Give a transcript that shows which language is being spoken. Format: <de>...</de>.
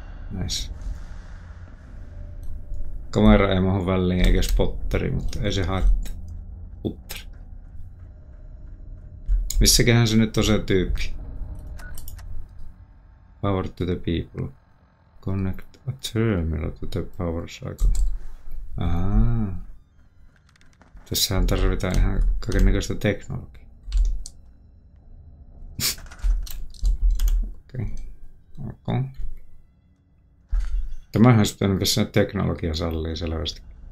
<en>Nice.</en> <fi>Kamera ei mahu väliin eikä spotteri, mutta ei se haittaa. Putteri. Missäköhän se nyt on se tyyppi?</fi> <en>Power to the people. Connect a terminal to the power cycle.</en> <fi>Ahaa. Tässähän tarvitaan ihan kaikennäköistä teknologiaa. Okei. Okay. Ok. Tämähän sitten missä teknologia sallii selvästi.</fi>